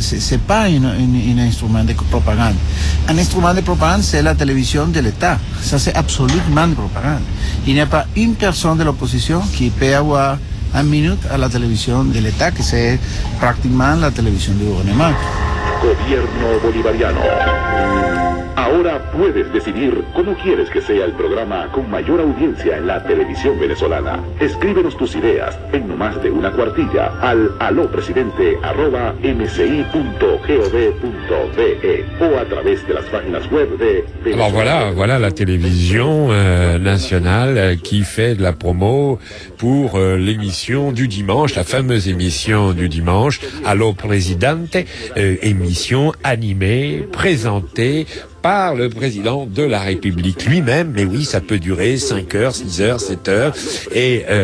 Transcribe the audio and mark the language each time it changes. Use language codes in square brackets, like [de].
[fr] C'est pas un instrument de propagande. Un instrument de propagande, c'est la télévision de l'État. Ça, c'est absolument de propagande. Il n'y a pas une personne de l'opposition qui peut avoir un minute à la télévision de l'État, que c'est pratiquement la télévision du gouvernement. [es] Gobierno bolivariano. Ahora puedes decidir cómo quieres que sea el programa con mayor audiencia en la televisión venezolana. Escríbenos tus ideas en no más de una cuartilla al alopresidente@msi.gov.be o a través de las páginas web de Venezuela. [fr] Alors voilà la télévision nationale qui fait de la promo pour l'émission du dimanche, la fameuse émission du dimanche, Allo Presidente, émission animée, présentée par le président de la République lui-même, mais oui, ça peut durer 5 heures, 6 heures, 7 heures, et